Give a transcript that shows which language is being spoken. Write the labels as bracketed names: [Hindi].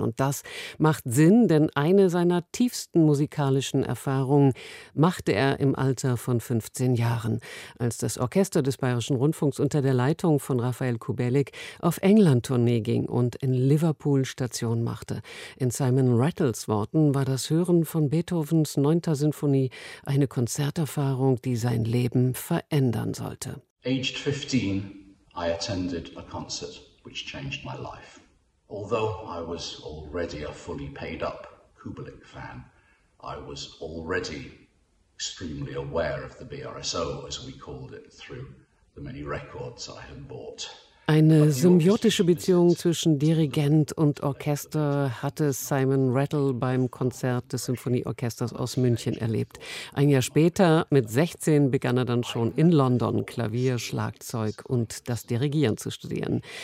[German] Und das macht Sinn, denn eine seiner tiefsten musikalischen Erfahrungen machte er im Alter von 15 Jahren, als das Orchester des Bayerischen Rundfunks unter der Leitung von Raphael Kubelik auf England-Tournee ging und in Liverpool Station machte. In Simon Rattles Worten war das Hören von Beethovens 9. Sinfonie eine Konzerterfahrung, die sein Leben verändern sollte. [English] Aged 15, I attended a concert which changed my life. Although I was already a fully paid up Kubelik fan, I was already extremely aware of the BRSO, as we called it, through the many records I had bought. [German] Eine symbiotische Beziehung zwischen Dirigent und Orchester hatte Simon Rattle beim Konzert des Symphonieorchesters aus München erlebt. Ein Jahr später, mit 16, begann er dann schon in London Klavier, Schlagzeug und das Dirigieren zu studieren.